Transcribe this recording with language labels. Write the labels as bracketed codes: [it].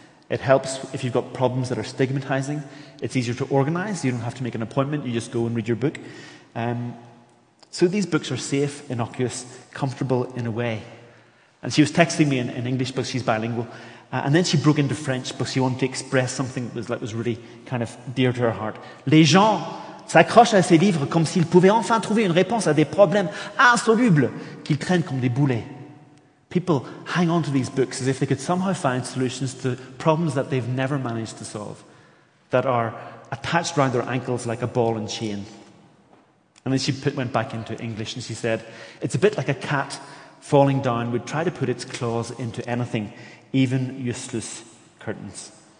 [en] It helps if you've got problems that are stigmatizing. It's easier to organize. You don't have to make an appointment. You just go and read your book. So these books are safe, innocuous, comfortable in a way. And she was texting me in English because she's bilingual. And then she broke into French because she wanted to express something that was really kind of dear to her heart. [fr] Les gens s'accrochent à ces livres comme s'ils pouvaient enfin trouver une réponse à des problèmes insolubles qu'ils traînent comme des boulets. [en] People hang on to these books as if they could somehow find solutions to problems that they've never managed to solve, that are attached around their ankles like a ball and chain. And then she went back into English and she said, it's a bit like a cat falling down would try to put its claws into anything, even useless curtains.